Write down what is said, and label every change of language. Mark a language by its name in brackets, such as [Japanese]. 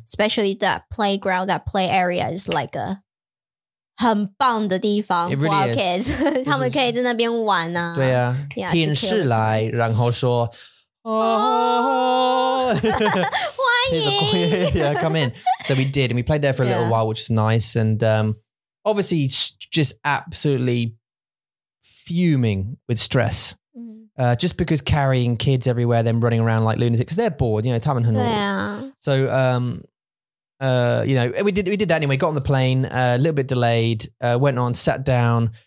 [English] Especially that playground, that play area is like a [Chinese] 很棒的地方 [English] for really our kids. [Chinese] 他们可以在那边玩啊。对啊, 天使来, 然后说, oh, 欢迎。 [English] Yeah, come in. So we did, and we played there for a little while, which is nice. And obviously, just absolutely fuming with stress. Just because carrying kids everywhere, then running around like lunatics, because they're bored, you know, Tam and Hanul. Yeah. So, you know, we did that anyway, got on the plane, a little bit delayed, went on, sat down.